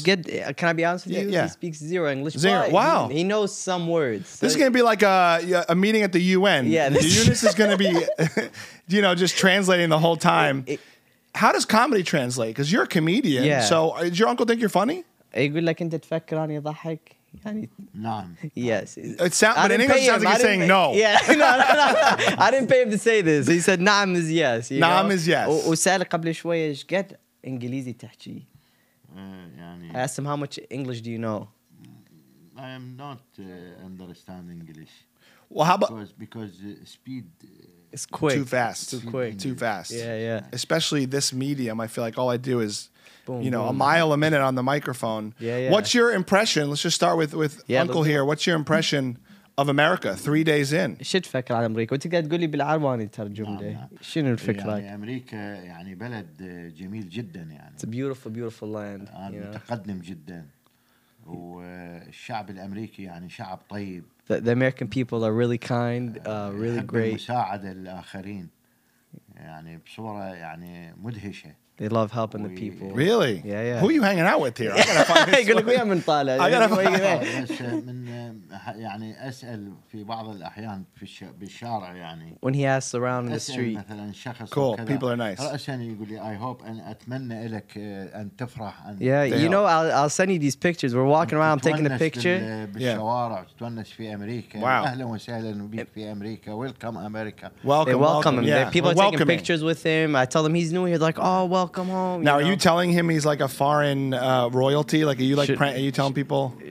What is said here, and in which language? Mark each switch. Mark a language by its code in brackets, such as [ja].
[en] Can I be honest with you? Yeah. He speaks zero English. Zero. Wow. He knows some words. So this is going to be like a meeting at the UN. Yeah. Younis is going to be, you know, just translating the whole time. How does comedy translate? Because you're a comedian. Yeah. So does your uncle think you're funny? [ar] يقول لك انت تفكر اني اضحك يعني نعم [en] yes it sounds but in English it sounds like you're saying no yeah no. I didn't pay him to say this. He said نعم is yes. نعم is yes. [ar] وسأل قبل شوية إيش قد إنجليزي تحكي. يعني [en] I asked him how much English do you know. I am not understand English. Well, how about because speed is quick, too fast, too quick, too fast. Yeah. Especially this medium, I feel like all I do is a mile a minute on the microphone. Yeah. What's your impression? Let's just start with Uncle here. What's your impression of America 3 days in? [ar] شو تفكر عن أمريكا؟ وأنت قاعد تقول لي بالعرباني ترجمته. شنو الفكرة؟ يعني أمريكا يعني بلد جميل جدا يعني. [en] It's a beautiful, beautiful land. [ar] متقدم جدا. والشعب الأمريكي يعني شعب طيب. [en] The American people are really kind, really great. [ar] مساعدة الآخرين يعني بصورة يعني مدهشة. [en] They love helping the people. Really? Yeah. Who are you hanging out with here? I gotta find this. [ar] من طالع. [en] I gotta find this. [ar] يعني أسأل في بعض الأحيان في بالشارع يعني. [en] When he asks around in the street. [ar] مثلاً شخص. [en] Cool. People are nice. [ar] رأسياً يقول لي [en] I hope and [ar] أتمنى لك أن تفرح. [en] Yeah. You know, I'll send you these pictures. We're walking around, I'm taking a picture. [ar] بالشوارع تونس في أمريكا. [en] Wow. [ar] أهلاً وسهلاً بيك في أمريكا. [en] Welcome America. Welcome. Him. Yeah. People are taking pictures with him. I tell them he's new. He's like, oh, well. Welcome home. Now, are you telling him he's like a foreign royalty? Like, are you telling people?